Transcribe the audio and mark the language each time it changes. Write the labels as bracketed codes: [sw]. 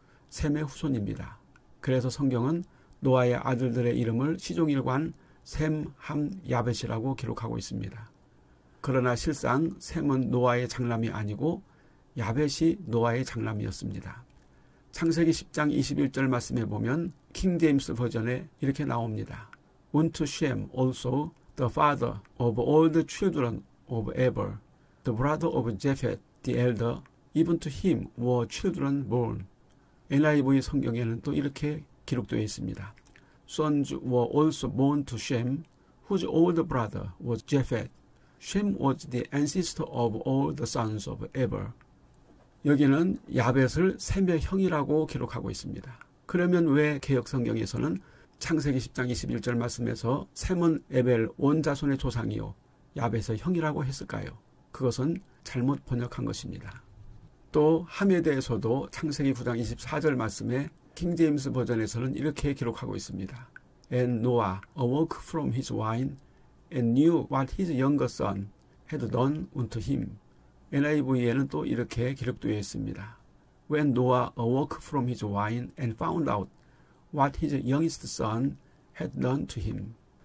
[ko] 셈의 후손입니다. 그래서 성경은 노아의 아들들의 이름을 시종일관 셈, 함, 야벳이라고 기록하고 있습니다. 그러나 실상 셈은 노아의 장남이 아니고 야벳이 노아의 장남이었습니다. 창세기 10장 21절 말씀해 보면 킹 제임스 버전에 이렇게 나옵니다. [en] Unto Shem also the father of all the children of Abel, the brother of Japheth, the elder, even to him were children born. [ko] NIV 성경에는 또 이렇게 기록되어 있습니다. [en] Sons were also born to Shem, whose older brother was Japheth. Shem was the ancestor of all the sons of Abel. [ko] 여기는 야벳을 셈의 형이라고 기록하고 있습니다. 그러면 왜 개역성경에서는 창세기 10장 21절 말씀에서 셈은 에벨 원자손의 조상이요 야벳의 형이라고 했을까요? 그것은 잘못 번역한 것입니다. 또 함에 대해서도 창세기 9장 24절 말씀에 킹 제임스 버전에서는 이렇게 기록하고 있습니다. [en] And Noah awoke from his wine and knew what his younger son had done unto him. [ko] NIV에는 또 이렇게 기록되어 있습니다. [en] When Noah awoke from his wine and found out what his youngest son had done to him.